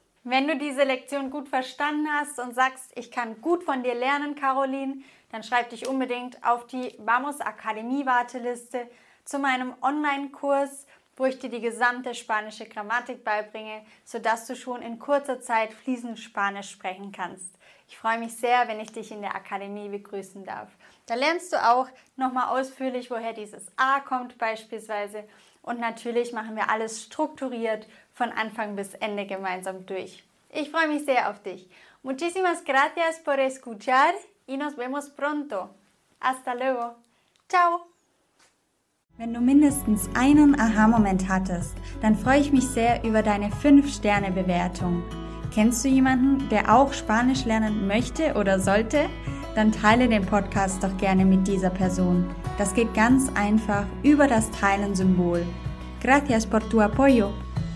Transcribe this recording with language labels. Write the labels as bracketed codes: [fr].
[de] Wenn du diese Lektion gut verstanden hast und sagst, ich kann gut von dir lernen, Caroline, dann schreib dich unbedingt auf die Vamos Akademie-Warteliste zu meinem Online-Kurs, wo ich dir die gesamte spanische Grammatik beibringe, sodass du schon in kurzer Zeit fließend Spanisch sprechen kannst. Ich freue mich sehr, wenn ich dich in der Akademie begrüßen darf. Da lernst du auch nochmal ausführlich, woher dieses A kommt beispielsweise. Und natürlich machen wir alles strukturiert von Anfang bis Ende gemeinsam durch. Ich freue mich sehr auf dich. [es] Muchísimas gracias por escuchar y nos vemos pronto. Hasta luego. Ciao. [de] Wenn du mindestens einen Aha-Moment hattest, dann freue ich mich sehr über deine 5-Sterne-Bewertung. Kennst du jemanden, der auch Spanisch lernen möchte oder sollte? Dann teile den Podcast doch gerne mit dieser Person. Das geht ganz einfach über das Teilen-Symbol. [es] Gracias por tu apoyo.